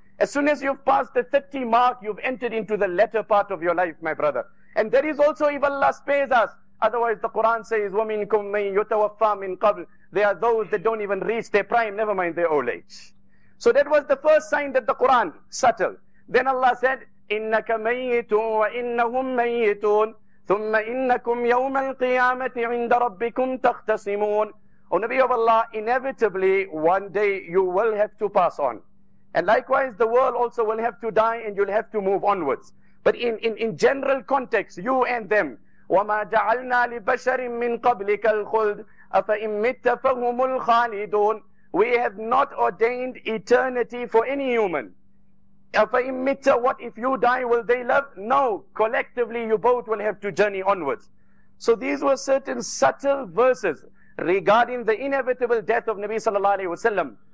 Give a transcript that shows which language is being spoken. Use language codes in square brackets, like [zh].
[en] As soon as you've passed the 30 mark, you've entered into the latter part of your life, my brother. And there is also, if Allah spares us, otherwise the Quran says, [ar] وَمِنْكُمْ مَنْ يُتَوَفَّى مِنْ قَبْلِ. [en] They are those that don't even reach their prime, never mind their old age. So that was the first sign that the Quran, subtle. Then Allah said, [ar] إِنَّكَ مَيِّتٌ وَإِنَّهُمْ مَيِّتُونَ ثُمَّ إِنَّكُمْ يَوْمَ الْقِيَامَةِ عِنْدَ رَبِّكُمْ تَخْتَصِمُونَ. [en] O Nabi of Allah, inevitably one day you will have to pass on. And likewise the world also will have to die and you'll have to move onwards. But in general context, you and them, [ar] وَمَا جَعَلْنَا لِبَشَرٍ مِّن قَبْلِكَ الْخُلْدِ أَفَإِن مِتَّ فَهُمُ الْخَالِدُونَ. [en] We have not ordained eternity for any human. [ar] أَفَإِن مِتَّ, [en] what if you die, will they live? No, collectively you both will have to journey onwards. So these were certain subtle verses regarding the inevitable death of Nabi sallallahu alayhi wa sallam.